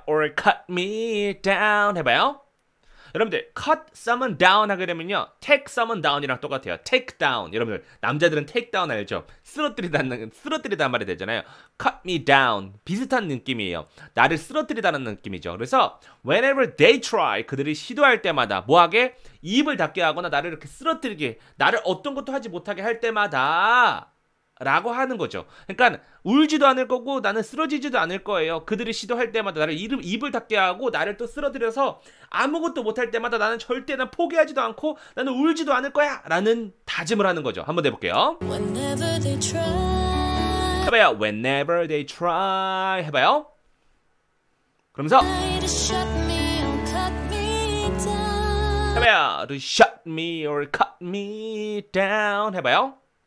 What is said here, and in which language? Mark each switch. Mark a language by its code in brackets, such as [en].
[en] Or cut me down [ko] 해봐요. 여러분들 [en] cut someone down [ko] 하게 되면요 [en] take someone down이랑 똑같아요. [ko] take down 여러분들 남자들은 take down 알죠? 쓰러뜨리다는 말이 되잖아요. cut me down 비슷한 느낌이에요. 나를 쓰러뜨리다는 느낌이죠. 그래서 [en] whenever they try [ko] 그들이 시도할 때마다 뭐하게? 입을 닫게 하거나 나를 이렇게 쓰러뜨리게 나를 어떤 것도 하지 못하게 할 때마다 라고 하는 거죠. 그러니까 울지도 않을 거고 나는 쓰러지지도 않을 거예요. 그들이 시도할 때마다 나를 입을 닫게 하고 나를 또 쓰러뜨려서 아무것도 못할 때마다 나는 절대 난 포기하지도 않고 나는 울지도 않을 거야 라는 다짐을 하는 거죠. 한번 해볼게요. [en] Whenever they try [ko] 해봐요. [en] Whenever they try 해봐요. [ko] 그러면서 해봐요. [en] To shut me or cut me down [ko] 해봐요.